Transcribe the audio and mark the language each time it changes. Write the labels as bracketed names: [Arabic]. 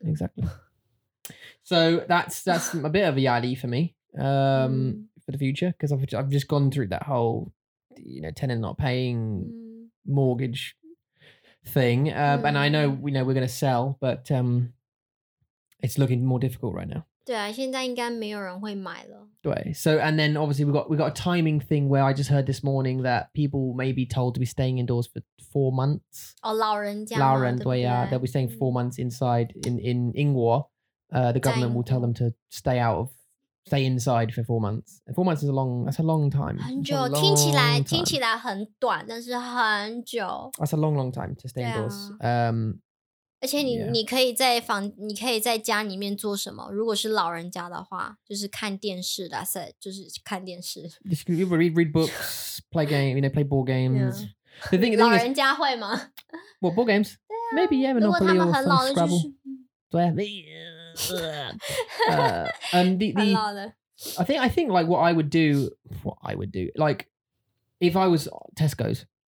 [English] exactly so that's a bit of a [Chinese] 压力 [English] for me for the future because I've just gone through that whole you know tenant not paying mortgage thing and I know we know we're going to sell but it's looking more difficult right now [Chinese] 对啊，现在应该没有人会买了。对 [English] ，so and then obviously we got a timing thing where I just heard this morning that people may be told to be staying indoors for 4 months. [Chinese] 哦，老人家。老人对呀、 [English] 啊、，they'll be staying 4 months inside in 英国。 The government will tell them to stay inside for 4 months. And 4 months is that's a long time. [Chinese] 很久，听起来很短，但是很久。 [English] That's a long, long time to stay indoors.、 [Chinese] 啊、而且 [English] yeah. [Chinese] 你可以在家里面做什么？如果是老人家的话，就是看电视。 [English] That's it, [Chinese] 就是看电视。 [English] You can read books, play games, you know, play board games.、 Yeah. The thing, [Chinese] 老人家会吗 [English] ？What board games?、 [Chinese] 啊、 [English] Maybe yeah, Monopoly or some Scrabble. [Chinese] 对啊。很老的。 [English] I think like what I would do like if I was Tesco's.